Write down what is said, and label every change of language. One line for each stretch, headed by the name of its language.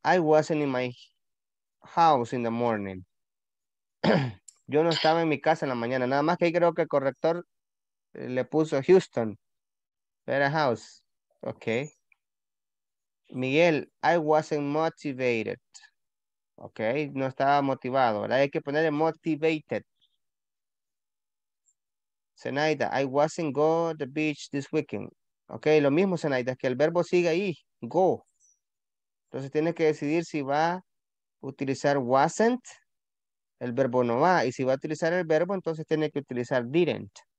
English: I wasn't in my house in the morning.
Spanish: Yo no estaba en mi casa en la mañana. Nada más que ahí creo que el corrector le puso Houston.
English: Better house. Ok. Miguel. I wasn't motivated.
Spanish: Ok. No estaba motivado. ¿Verdad? Hay que ponerle motivated.
English: Zenaida, I wasn't go to the beach this weekend.
Spanish: Ok, lo mismo, Zenaida, es que el verbo sigue ahí, go. Entonces tiene que decidir si va a utilizar wasn't, el verbo no va. Y si va a utilizar el verbo, entonces tiene que utilizar didn't.